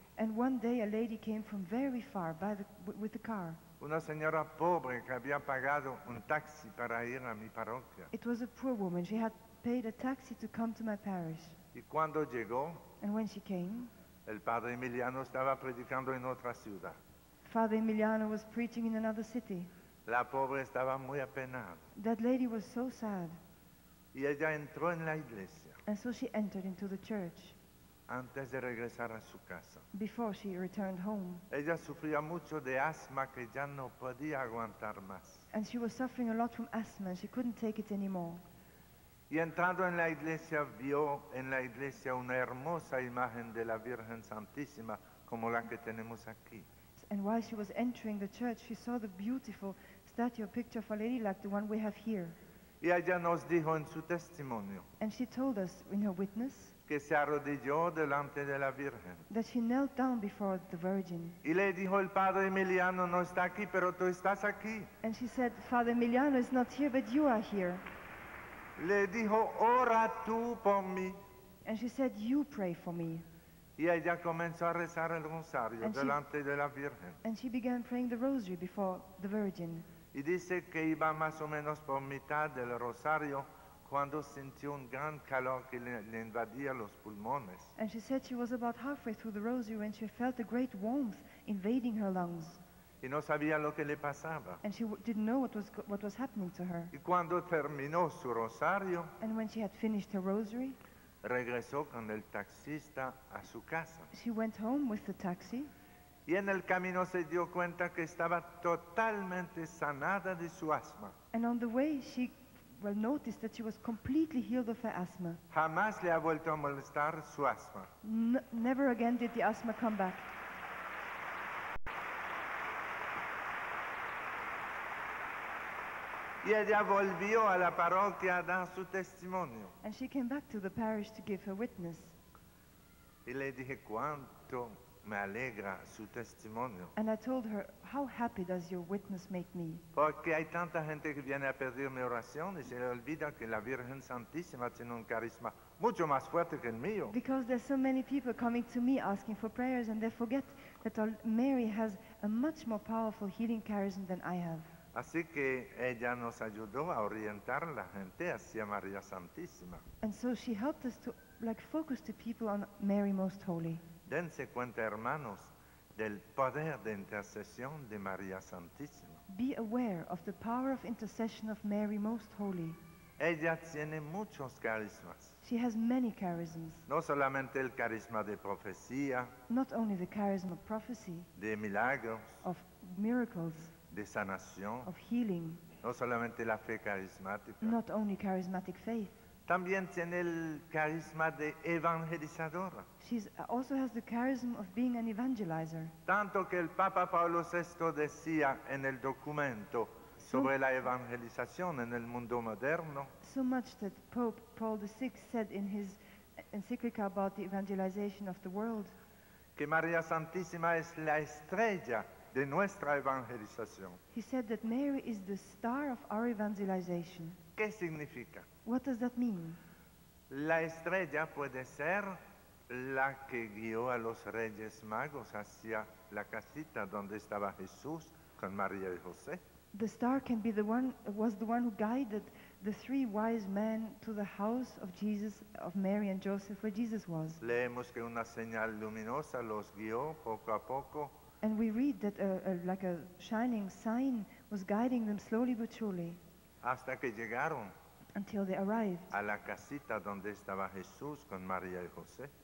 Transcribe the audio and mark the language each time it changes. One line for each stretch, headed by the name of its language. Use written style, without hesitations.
English: And one day a lady came from very far by the, with the car.
Spanish: Una señora pobre que había pagado un taxi para ir a mi parroquia.
English: It was a poor woman. She had paid a taxi to come to my parish.
Spanish: Y cuando llegó,
English: and when she came,
Spanish: el padre Emiliano estaba predicando en otra ciudad.
English: Father Emiliano was preaching in another city.
Spanish: La pobre estaba muy apenada.
English: That lady was so sad.
Spanish: Y ella entró en la iglesia.
English: And so she entered into the church.
Spanish: Antes de regresar a su casa.
English: Before she returned home.
Spanish: Ella sufría mucho de asma que ya no podía aguantar más.
English: And she was suffering a lot from asthma. She couldn't take it anymore.
Spanish: Y entrando en la iglesia, vio en la iglesia una hermosa imagen de la Virgen Santísima, como la que tenemos aquí.
English: And while she was entering the church, she saw the beautiful statue or picture of Our Lady like the one we have here.
Spanish: Y ella nos dijo en su testimonio.
English: And she told us in her witness.
Spanish: Que se arrodilló delante de la Virgen.
English: That she knelt down before the Virgin.
Spanish: Y le dijo, el Padre Emiliano no está aquí, pero tú estás aquí.
English: And she said, Father Emiliano is not here, but you are here.
Spanish: Le dijo, ora tú por mí.
English: And she said, you pray for me.
Spanish: Y ella comenzó a rezar el rosario delante de la Virgen.
English: And she began praying the rosary before the Virgin.
Spanish: Y dice que iba más o menos por mitad del rosario cuando sintió un gran calor que le invadía los pulmones.
English: And she said she was about halfway through the rosary when she felt a great warmth invading her lungs.
Spanish: Y no sabía lo que le pasaba.
English: And she didn't know what was happening to her.
Spanish: Y cuando terminó su rosario,
English: and when she had finished her rosary,
Spanish: regresó con el taxista a su casa.
English: She went home with the taxi.
Spanish: Y en el camino se dio cuenta que estaba totalmente sanada de su asma.
English: And on the way she noticed that she was completely healed of her asthma.
Spanish: Jamás le ha vuelto a molestar su asma.
English: Never again did the asthma come back.
Spanish: Y ella volvió a la parroquia a dar su testimonio.
English: And she came back to the parish to give her witness.
Spanish: Y le dije, cuánto me alegra su testimonio.
English: And I told her, how happy does your witness make me?
Spanish: Porque hay tanta gente que viene a pedirme oración y se le olvida que la Virgen Santísima tiene un carisma mucho más fuerte que el mío.
English: Because there's so many people coming to me asking for prayers, and they forget that Mary has a much more powerful healing charism than I have.
Spanish: Así que ella nos ayudó a orientar la gente hacia María Santísima.
English: And so she helped us to like focus the people on Mary Most Holy.
Spanish: Dense cuenta, hermanos, del poder de intercesión de María Santísima.
English: Be aware of the power of intercession of Mary Most Holy.
Spanish: Ella tiene muchos carismas.
English: She has many charisms.
Spanish: No solamente el carisma de profecía.
English: Not only the charism of prophecy.
Spanish: De milagros.
English: Of miracles.
Spanish: De sanación.
English: Of healing.
Spanish: No solamente la fe carismática.
English: Not only charismatic faith.
Spanish: También tiene el carisma de evangelizadora.
English: She also has the charism of being an evangelizer.
Spanish: Tanto que el Papa Pablo VI decía en el documento sobre la evangelización en el mundo moderno.
English: So much that Pope Paul VI said in his encyclical about the evangelization of the world.
Spanish: Que María Santísima es la estrella de nuestra evangelización.
English: He said that Mary is the star of our evangelization.
Spanish: ¿Qué significa?
English: What does that mean?
Spanish: La estrella puede ser la que guió a los Reyes Magos hacia la casita donde estaba Jesús con María y José.
English: The star can be the one who guided the three wise men to the house of Jesus, of Mary and Joseph, where Jesus was.
Spanish: Leemos que una señal luminosa los guió poco a poco.
English: And we read that a shining sign was guiding them slowly but surely.
Spanish: Hasta que llegaron.
English: Until they arrived.
Spanish: A la casita donde estaba Jesús con María y José.